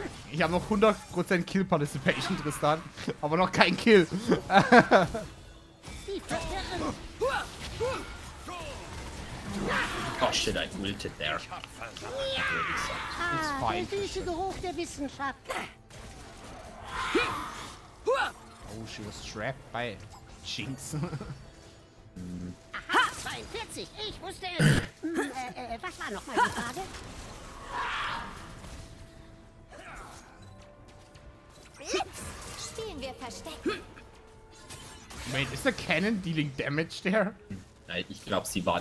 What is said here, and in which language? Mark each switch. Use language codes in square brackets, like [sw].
[de] Ich habe noch 100% Kill Participation, Tristan, aber noch keinen Kill. [en] Oh shit, I ulted there. It's fine. [de] Der süße Geruch der Wissenschaft. [en] Oh, she was trapped by Jinx. [de] 42, ich wusste es. Was war nochmal die Frage? Spielen wir verstecken. Wait, ist der Cannon [en] dealing damage there? [de] Ich glaube, sie war.